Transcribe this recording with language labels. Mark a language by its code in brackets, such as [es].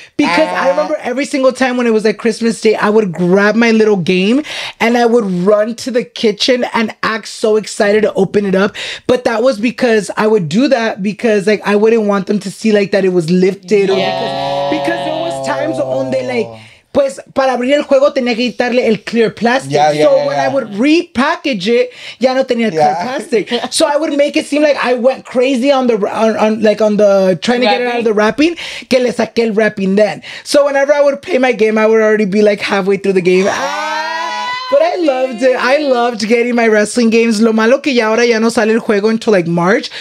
[en] Because I remember every single time when it was like Christmas Day, I would grab my little game and I would run to the kitchen and act so excited to open it up. But that was because I would do that because like I wouldn't want them to see like that it was lifted. Yeah. Because there was times on they like... [es] Pues, para abrir el juego, tenía que quitarle el clear plastic. [en] Yeah, so when I would repackage it, [es] ya no tenía [en] clear plastic. So I would make it seem like I went crazy on the trying to get it out of the wrapping, [es] que le saqué el [en] wrapping then. So whenever I would play my game, I would already be like halfway through the game. But I loved it. I loved getting my wrestling games. [es] Lo malo que ya ahora ya no sale el juego [en] until like March.